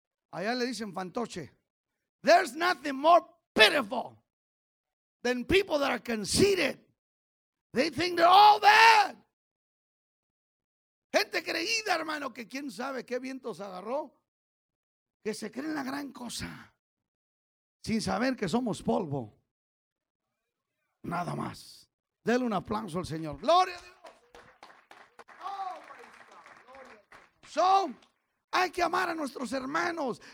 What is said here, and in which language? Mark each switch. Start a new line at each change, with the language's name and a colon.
Spanish: Allá le dicen fantoche.
English: There's nothing more pitiful than people that are conceited. They think they're all bad.
Spanish: Gente creída, hermano, que quién sabe qué vientos agarró, que se creen la gran cosa, sin saber que somos polvo. Nada más. Dele un aplauso al Señor. Gloria a Dios. Oh, so, hay que amar a nuestros hermanos.